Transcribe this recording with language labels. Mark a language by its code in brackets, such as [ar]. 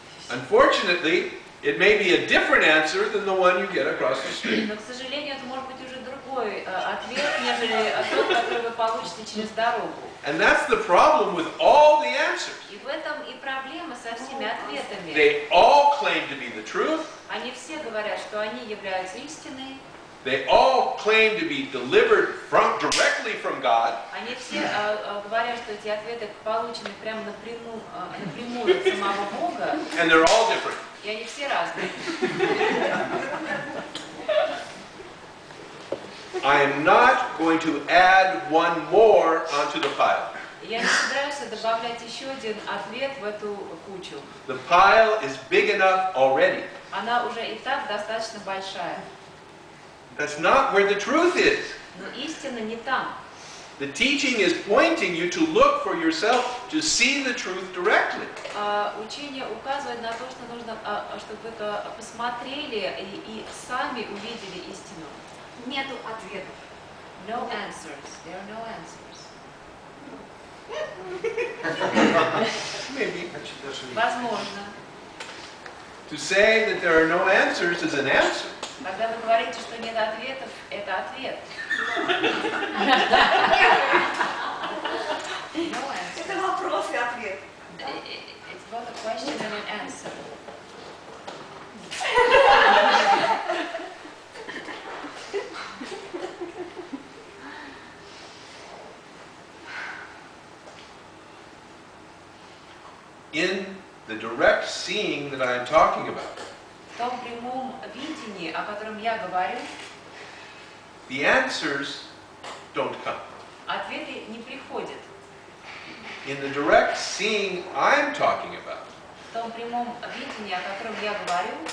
[en] Unfortunately, it may be a different answer than the one you get across the street. [ru] Но, к сожалению, это может быть уже другой ответ, нежели тот, который вы получите через дорогу. [en] And that's the problem with all the answers. [ru] И в этом и проблема со всеми ответами. [en] They all claim to be the truth. [ru] Они все говорят, что они являются истиной. [en] They all claim to be delivered directly from God. [ru] Они все говорят, что эти ответы получены прямо напрямую от самого Бога. [en] And they're all different. [ru] И они все разные. [en] I am not going to add one more onto the pile. [ru] Я не собираюсь добавлять еще один ответ в эту кучу. [en] The pile is big enough already. [ru] Она уже и так достаточно большая. [en] That's not where the truth is. [ru] Но истина не там. [en] The teaching is pointing you to look for yourself to see the truth directly. [ru] Учение указывает на то, что нужно, чтобы вы посмотрели и сами увидели истину. Нету ответов. [en] No answers. There are no answers. Maybe. [ru] Возможно. [en] To say that there are no answers is an answer. [ru] Когда вы говорите, что нет ответов, это ответ. Это вопрос и ответ. [en] It's both a question and an answer. In the direct seeing that I am talking about, [ru] в том прямом видении, о котором я говорю, [en] the answers don't come. [ru] Ответы не приходят. [en] In the direct seeing I'm talking about, [ru] в том прямом видении, о котором я говорю,